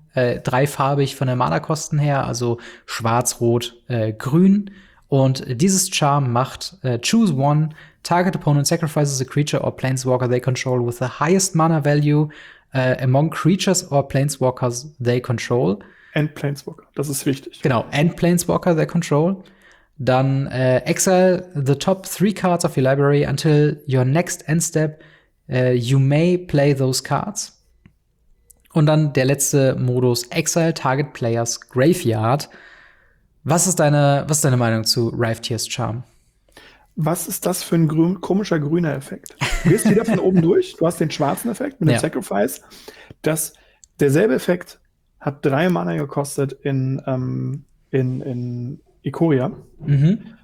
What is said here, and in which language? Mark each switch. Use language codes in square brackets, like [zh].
[de] Dreifarbig von der Mana-Kosten her, also schwarz, rot, grün. Und dieses Charm macht [en] Choose one, target opponent sacrifices a creature or planeswalker they control with the highest mana value among creatures or planeswalkers they control. And planeswalker, [de] das ist wichtig. [en] Genau, and planeswalker they control. Dann exile the top 3 cards of your library until your next end step. You may play those cards. [de] Und dann der letzte Modus, [en] Exile Target Players Graveyard. [de] Was ist deine Meinung zu Rivetears Charm? Was ist das für ein komischer grüner Effekt? Du gehst wieder von oben durch, du hast den schwarzen Effekt mit dem Sacrifice. Das, derselbe Effekt hat 3 Mana gekostet in Ikoria. Mhm.